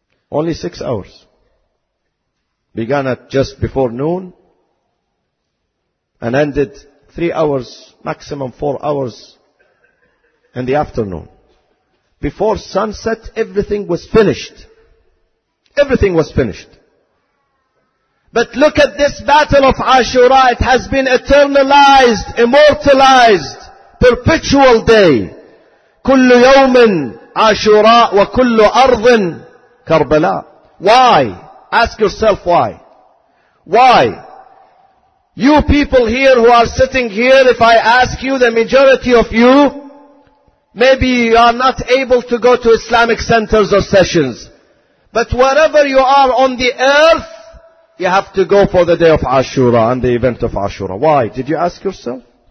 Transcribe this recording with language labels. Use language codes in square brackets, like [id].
[en] Only 6 hours. Began at just before noon and ended 3 hours, maximum 4 hours in the afternoon. Before sunset, everything was finished. Everything was finished. But look at this battle of Ashura. It has been eternalized, immortalized, perpetual day. [ar] كل يوم عاشوراء وكل أرض كربلاء. [en] Why? Ask yourself why. Why? You people here who are sitting here, if I ask you, the majority of you, maybe you are not able to go to Islamic centers or sessions. But wherever you are on the earth, you have to go for the day of Ashura and the event of Ashura. Why? Did you ask yourself?